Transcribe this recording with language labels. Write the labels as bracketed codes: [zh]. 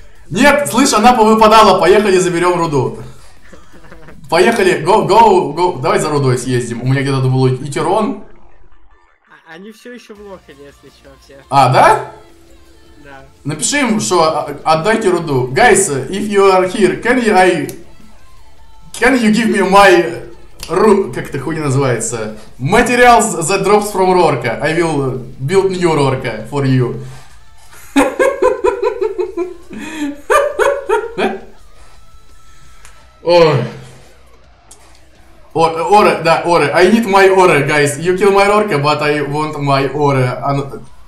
[ru] Нет, слышь, она повыпадала, поехали заберем руду. Поехали, go, давай за рудой съездим. У меня где-то был Итерон. Они все еще в Лохане, если что, все. А, да? Да. Напиши им, что отдайте руду. [en] Guys, if you are here, can you give me my... [ru] как это хуйня называется? [en] Materials that drops from Рорка. I will build new Рорка for you. Оре, да, оре. I need my оре, guys. You kill my Рорка, but I want my оре.